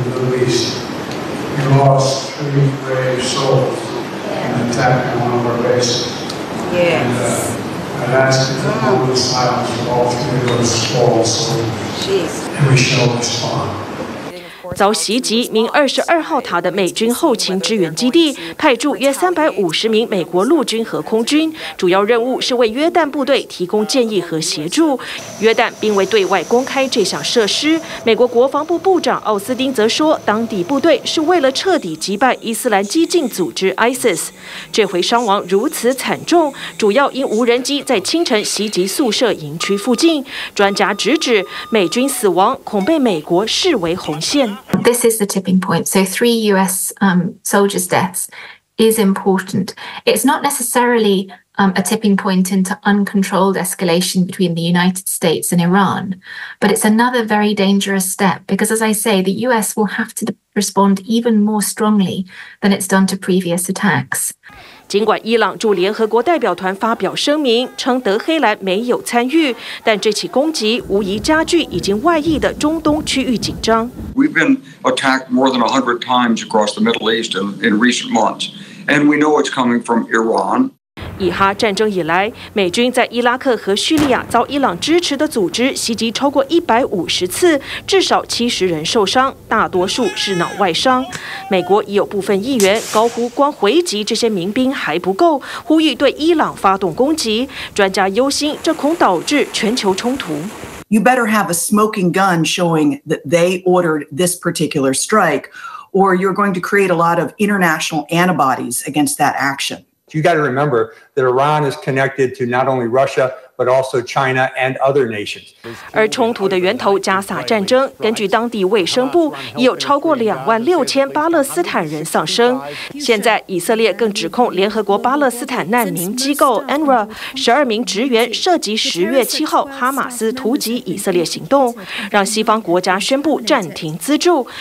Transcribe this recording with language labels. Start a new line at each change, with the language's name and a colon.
English: We lost 3 brave souls in attacking one of our bases. Yes. And I'd ask you to hold the silence of all 3 of those souls. Jeez. And we shall respond.
Chinese: 遭袭击，名22号塔的美军后勤支援基地派驻约350名美国陆军和空军，主要任务是为约旦部队提供建议和协助。约旦并未对外公开这项设施。美国国防部部长奥斯汀则说，当地部队是为了彻底击败伊斯兰激进组织 ISIS。这回伤亡如此惨重，主要因无人机在清晨袭击宿舍营区附近。专家直指，美军死亡恐被美国视为红线。
English: This is the tipping point. So 3 US soldiers' deaths is important. It's not necessarily a tipping point into uncontrolled escalation between the United States and Iran, but it's another very dangerous step because, as I say, the US will have to respond even more strongly than it's done to previous attacks.
Chinese: 尽管伊朗驻联合国代表团发表声明称德黑兰没有参与，但这起攻击无疑加剧已经外溢的中东区域紧张。
English: We've been attacked more than 100 times across the Middle East in recent months, and we know it's coming from Iran.
Chinese: 以哈战争以来，美军在伊拉克和叙利亚遭伊朗支持的组织袭击超过150次，至少70人受伤，大多数是脑外伤。美国已有部分议员高呼光回击这些民兵还不够，呼吁对伊朗发动攻击。专家忧心这恐导致全球冲突。
English: You better have a smoking gun showing that they ordered this particular strike, or you're going to create a lot of international antibodies against that action. You got to remember that Iran is connected to not only Russia, but also China and other nations.
Chinese: 而冲突的源头加萨战争，根据当地卫生部，已有超过26000巴勒斯坦人丧生。现在以色列更指控联合国巴勒斯坦难民机构 UNRWA 12名职员涉及10月7号哈马斯突击以色列行动，让西方国家宣布暂停资助。